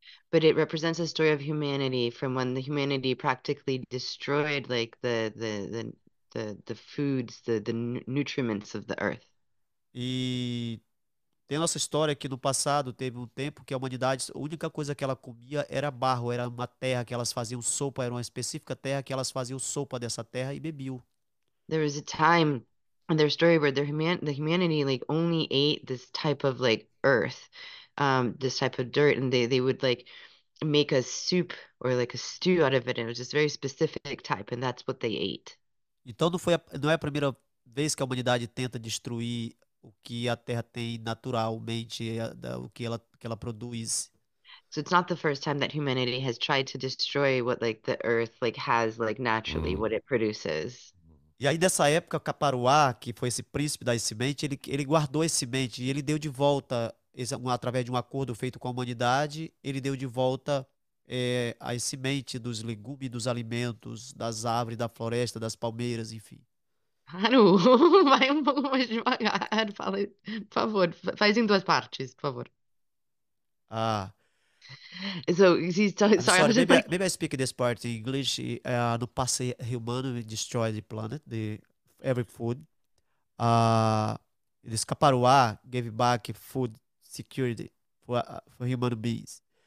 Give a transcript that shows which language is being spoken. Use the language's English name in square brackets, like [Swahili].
[English] But it represents a story of humanity from when the humanity practically destroyed like the foods, the nutrients of the earth. [Portuguese] E tem nossa história que no passado teve um tempo que a humanidade, a única coisa que ela comia era barro, era uma terra que elas faziam sopa, era uma específica terra que elas faziam sopa dessa terra e bebiam. [English] There was a time in their story where the humanity like only ate this type of like earth, this type of dirt, and they would like make a soup or like a stew out of it, and it was this very specific type, and that's what they ate. [Portuguese] Então não é a primeira vez que a humanidade tenta destruir o que a terra tem naturalmente, o que ela produz. [English] So it's not the first time that humanity has tried to destroy what like the earth like has like naturally what it produces. [Portuguese] E aí dessa época, Caparuá, que foi esse príncipe da semente, ele guardou esse semente e ele deu de volta, através de um acordo feito com a humanidade, ele deu de volta a semente dos legumes, dos alimentos, das árvores, da floresta, das palmeiras, enfim. Haru, vai um pouco mais devagar, fala, por favor, faz em duas partes, por favor. Ah. [English] So, he's sorry, maybe I speak this part in English. [Portuguese] No passe humano, [English] we destroy the planet, the every food. This Caparuá gave back food security for human beings.